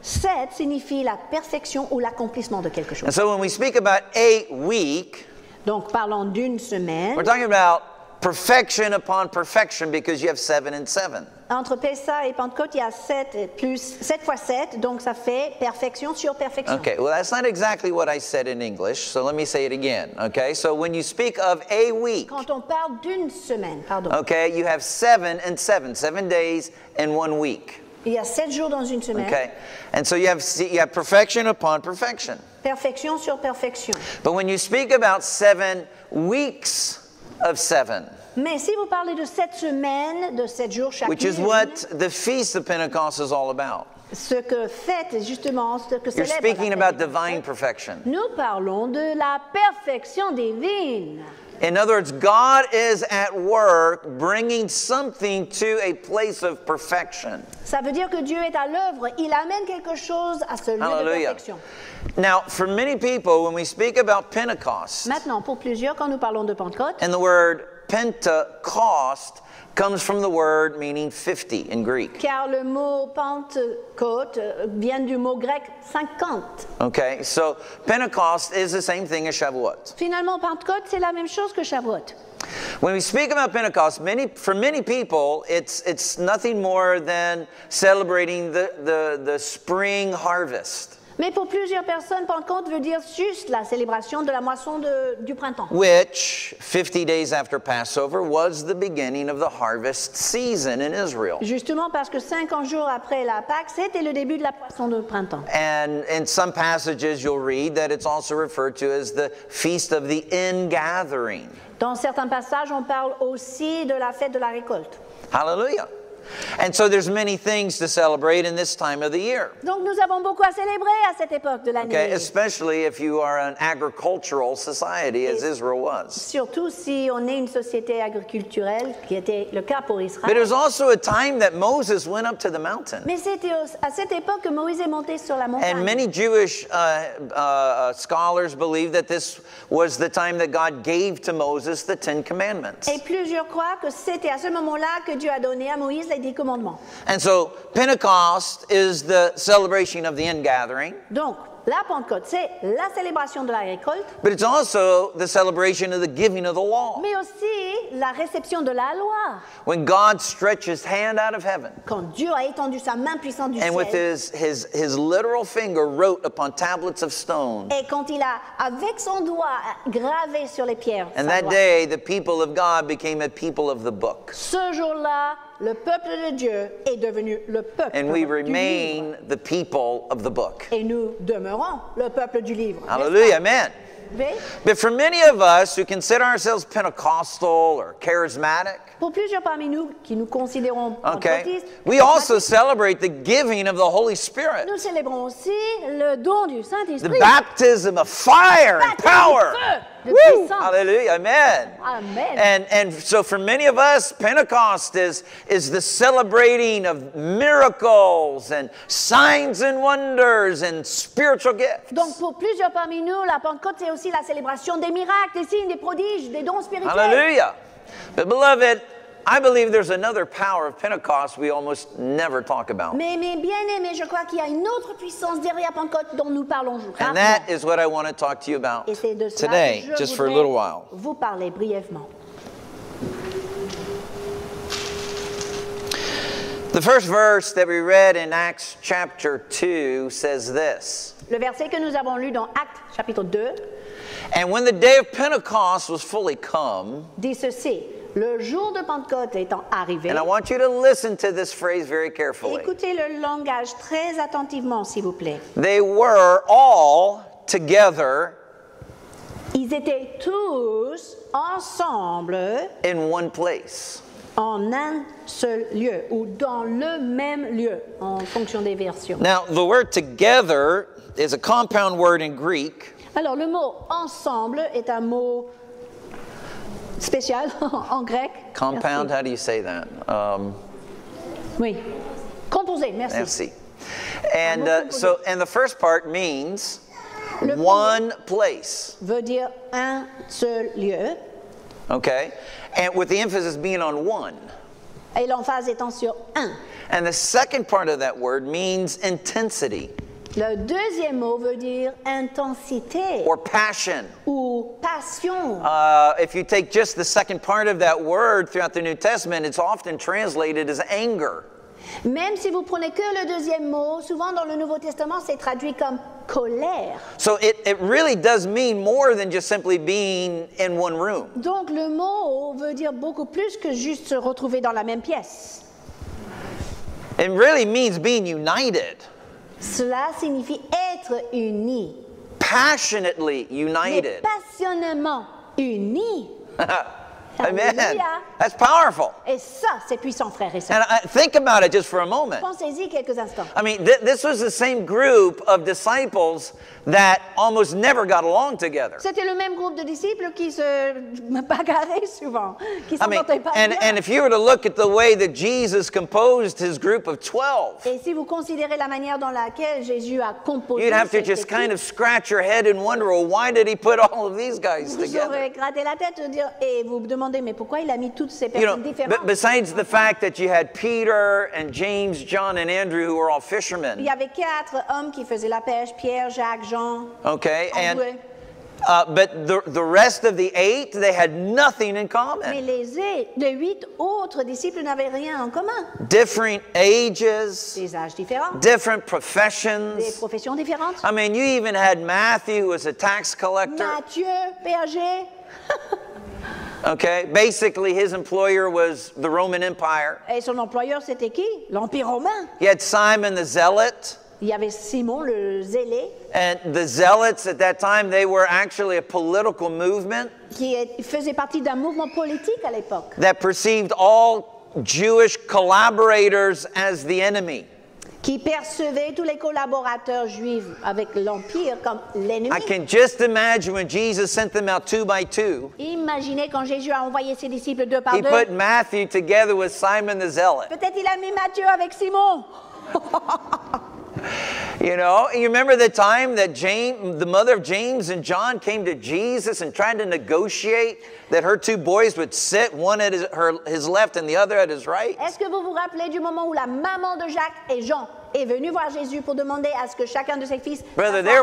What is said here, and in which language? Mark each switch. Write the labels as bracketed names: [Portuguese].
[French] Sept signifie la perfection ou l'accomplissement de quelque chose. [English] And so when we speak about a week, [French] donc parlons d'une semaine, [English] we're talking about perfection upon perfection because you have seven and seven. [French] Entre Pessah et Pentecôte, il y a 7 plus 7 fois 7, donc ça fait perfection sur perfection. [English] Okay, well that's not exactly what I said in English, so let me say it again. Okay, so when you speak of a week, [French] quand on parle d'une semaine, pardon. [English] Okay, you have 7 and 7, 7 days and 1 week. [French] Il y a 7 jours dans une semaine. [English] Okay, and so you have perfection upon perfection. [French] Perfection sur perfection. [English] But when you speak about 7 weeks of 7. [French] Mais si vous parlez de 7 semaines, de 7 jours chaque [English] Which is what the feast of Pentecost is all about. [French] Ce que fête justement, ce que [English] You're speaking about divine perfection. [French] Nous parlons de la perfection divine. [English] In other words, God is at work bringing something to a place of perfection. [French] Ça veut dire que Dieu est à l'œuvre, il amène quelque chose à ce lieu Hallelujah. De perfection. [English] Now, for many people, when we speak about Pentecost, [French] Maintenant, pour plusieurs, quand nous parlons de Pentecôte, [English] and the word Pentecost comes from the word meaning 50 in Greek. [French] Car le mot Pentecôte vient du mot grec 50. [English] Okay, so Pentecost is the same thing as Shavuot. [French] Finalement, Pentecôte, c'est la même chose que Shavuot. [English] When we speak about Pentecost, for many people, it's nothing more than celebrating the spring harvest. [French] Mais pour plusieurs personnes, Pentecôte veut dire juste la célébration de la moisson du printemps. [English] Which, 50 days after Passover, was the beginning of the harvest season in Israel. [French] Justement parce que 50 jours après la Pâque, c'était le début de la moisson de printemps. [English] And in some passages, you'll read that it's also referred to as the feast of the ingathering. [French] Dans certains passages, on parle aussi de la fête de la récolte. Hallelujah. [English] And so there's many things to celebrate in this time of the year. [French] Donc nous avons beaucoup à célébrer à cette époque de l'année. [English] Okay, especially if you are an agricultural society, as Israel was. [French] Surtout si on est une société agriculturelle, qui était le cas pour Israël. [English] But it was also a time that Moses went up to the mountain. [French] Mais c'était à cette époque que Moïse est monté sur la montagne. [English] And many Jewish scholars believe that this was the time that God gave to Moses the Ten Commandments. [French] Et plusieurs croient que c'était à ce moment-là que Dieu a donné à Moïse [English] And so Pentecost is the celebration of the ingathering. [French] Donc, la Pentecôte, c'est la célébration de la récolte. [English] But it's also the celebration of the giving of the law. [French] Mais aussi la réception de la loi. [English] When God stretched his hand out of heaven. [French] Quand Dieu a étendu sa main puissante du ciel. [English] And with his literal finger wrote upon tablets of stone. [French] Et quand il a avec son doigt gravé sur les pierres. [English] And that day the people of God became a people of the book. [French] Ce jour-là Le peuple de Dieu est devenu le peuple [English] And we [French] du [English] remain [French] livre. [English] The people of the book. [French] Et nous demeurons le peuple du livre. Hallelujah, amen. [English] But for many of us who consider ourselves Pentecostal or charismatic, [French] pour plusieurs parmi nous qui nous considérons [English] okay, we also celebrate the giving of the Holy Spirit. [French] Nous célébrons aussi le don du Saint-Esprit. [English] The baptism of fire and power. Woo! Hallelujah, amen. Amen. And so for many of us, Pentecost is the celebrating of miracles and signs and wonders and spiritual gifts. [French] Donc pour plusieurs parmi nous, la Pentecôte c'est aussi la célébration des miracles, des signes, des prodiges, des dons spirituels. Hallelujah. [English] But beloved, I believe there's another power of Pentecost we almost never talk about. [French] Mais bien-aimé, je crois qu'il y a une autre puissance derrière Pentecôte dont nous parlons aujourd'hui. [English] And that is what I want to talk to you about today, just for a little while. [French] Vous parler brièvement. [English] The first verse that we read in Acts chapter 2 says this. [French] Le verset que nous avons lu dans Actes chapitre 2. [English] And when the day of Pentecost was fully come, [French] dit ceci. Le jour de Pentecôte étant arrivé. [English] And I want you to listen to this phrase very carefully. [French] Écoutez le langage très attentivement, s'il vous plaît. [English] They were all together. [French] Ils étaient tous ensemble. [English] In one place. [French] En un seul lieu ou dans le même lieu, en fonction des versions. [English] Now, the word together is a compound word in Greek. [French] Alors, le mot ensemble est un mot spécial en grec. [English] Compound, [French] merci. [English] How do you say that? [French] Oui. Composé, merci. Merci. [English] And so, and the first part means le one place. [French] Veut dire un seul lieu. [English] Okay. And with the emphasis being on one. [French] Et l'emphase étant sur un. [English] And the second part of that word means intensity. [French] Le deuxième mot veut dire intensité. [English] Or passion. [French] Ou passion. [English] If you take just the second part of that word throughout the New Testament, it's often translated as anger. [French] Même si vous prenez que le deuxième mot, souvent dans le Nouveau Testament, c'est traduit comme colère. [English] So it really does mean more than just simply being in one room. [French] Donc le mot veut dire beaucoup plus que juste se retrouver dans la même pièce. [English] It really means being united. [French] Cela signifie être uni. [English] Passionately united. [French] Mais passionnellement uni. [English] Amen. That's powerful. [French] Et ça, c'est puissant, frère et sœur. [English] And think about it just for a moment. [French] Pensez-y quelques instants. [English] I mean, this was the same group of disciples that almost never got along together. [French] C'était le même groupe de disciples qui se bagarraient souvent, qui s'entendaient pas. [English] And if you were to look at the way that Jesus composed his group of 12, [French] et si vous considérez la manière dans laquelle Jésus a composé, [English] you'd have to just kind of scratch your head and wonder, well, why did he put all of these guys together? [French] Vous auriez gratté la tête et dire, et vous demandez, mais pourquoi il a mis toutes ces personnes différentes? [English] Besides the fact that you had Peter and James, John and Andrew, who were all fishermen. [French] Il y avait quatre hommes qui faisaient la pêche, Pierre, Jacques, Jean, [English] okay, and but the rest of the eight, they had nothing in common. [French] Mais les huit autres disciples n'avaient rien en commun. [English] Different ages, [French] des âges différents. [English] Different professions, [French] des professions différentes. [English] I mean, you even had Matthew, who was a tax collector. [French] Matthieu, berger. [English] Okay, basically his employer was the Roman Empire. [French] Et son employeur c'était qui? L'Empire romain. [English] He had Simon the Zealot. [French] Il y avait Simon le zélé. [English] And the zealots at that time, they were actually a political movement. [French] Qui faisait partie d'un mouvement politique à l'époque. [English] That perceived all Jewish collaborators as the enemy. [French] Qui percevait tous les collaborateurs juifs avec l'Empire comme l'ennemi. [English] I can just imagine when Jesus sent them out two by two. [French] Imaginez quand Jésus a envoyé ses disciples deux par deux. [English] He put Matthew together with Simon the zealot. [French] Peut-être il a mis Matthieu avec Simon. [English] You know, you remember the time that James, the mother of James and John came to Jesus and tried to negotiate that her two boys would sit, one at his left and the other at his right? [French] Est-ce que vous vous rappelez du moment où la maman de Jacques et Jean est venue voir Jésus pour demander à ce que chacun de ses fils soit à droite et à gauche?